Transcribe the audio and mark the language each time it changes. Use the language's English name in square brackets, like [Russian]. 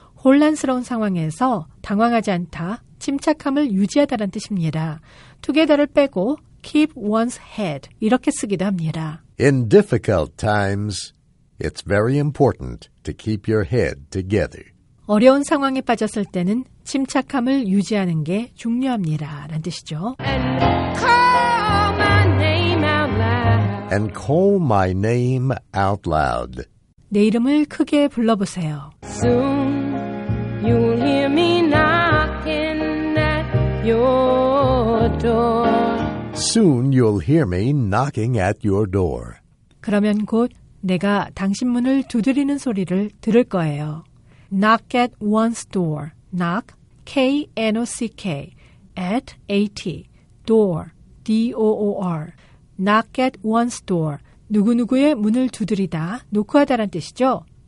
[Korean] 혼란스러운 상황에서 당황하지 않다, 침착함을 유지하다란 뜻입니다. together를 빼고 [English] keep one's head, [Korean] 이렇게 쓰기도 합니다. [English] In difficult times, it's very important to keep your head together. [Korean] 어려운 상황에 빠졌을 때는 침착함을 유지하는 게 중요합니다. 라는 뜻이죠. [English] And call my name out loud. And call my name out loud. [Korean] 내 이름을 크게 불러보세요. [English] Soon you'll hear me knocking at your door. Soon you'll hear me knocking at your door. [Korean] 그러면 곧 내가 당신 문을 두드리는 소리를 들을 거예요. [English] Knock at one's door. Knock, K-N-O-C-K, at A-T, door, D-O-O-R. Knock at one's door. [Korean] 누구누구의 문을 두드리다, 노크하다란 뜻이죠.